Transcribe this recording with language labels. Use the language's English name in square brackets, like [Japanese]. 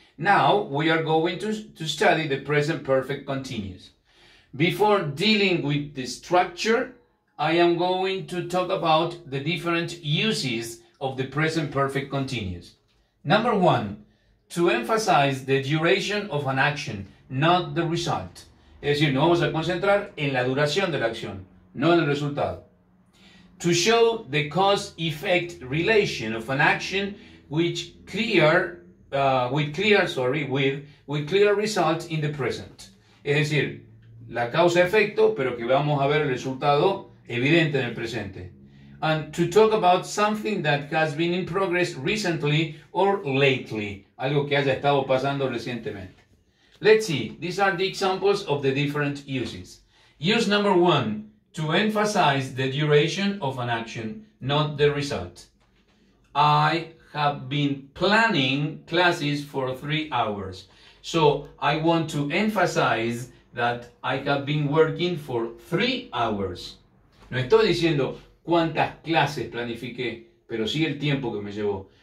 [English] Now we are going to study the present perfect continuous. Before dealing with the structure, I am going to talk about the different uses of the present perfect continuous. Number one, to emphasize the duration of an action, not the result. [Spanish] Es decir, nos vamos a concentrar en la duración de la acción, no en el resultado. [English] To show the cause-effect relation of an action with clear result in the present. [Spanish] Es decir, la causa-efecto, pero que vamos a ver el resultado evidente en el presente. [English] And to talk about something that has been in progress recently or lately. [Spanish] Algo que haya estado pasando recientemente. [English] Let's see. These are the examples of the different uses. Use number one. To emphasize the duration of an action, not the result. I have been planning classes for 3 hours. So I want to emphasize that I have been working for 3 hours. [Spanish] No estoy diciendo cuántas clases planifiqué, pero sí el tiempo que me llevó.